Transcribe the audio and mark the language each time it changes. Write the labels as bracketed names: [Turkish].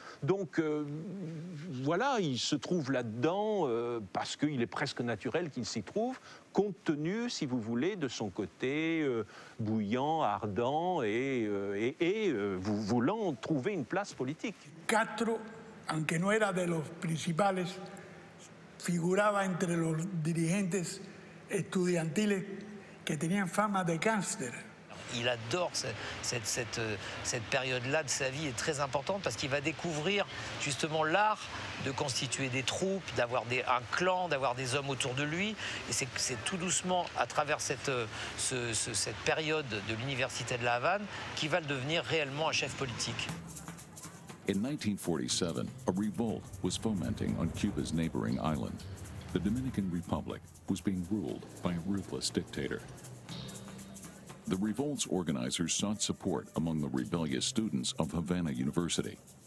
[French] Donc, voilà, il se trouve là-dedans parce qu'il est presque naturel qu'il s'y trouve, compte tenu, si vous voulez, de son côté bouillant, ardent et voulant trouver une place politique. [Spanish] Castro, aunque no era de los principales, figuraba entre los dirigentes estudiantiles que tenían fama de gángster. [French] Il adore cette période-là de sa vie, est très importante parce qu'il va découvrir justement l'art de constituer des troupes, d'avoir un clan, d'avoir des hommes autour de lui. Et c'est tout doucement à travers cette période de l'université de La Havane qu'il va devenir réellement un chef politique. [English] In 1947, a revolt was fomenting on Cuba's neighboring island. The Dominican Republic was being ruled by a ruthless dictator. The revolt's organizers sought support among the rebellious students of Havana University.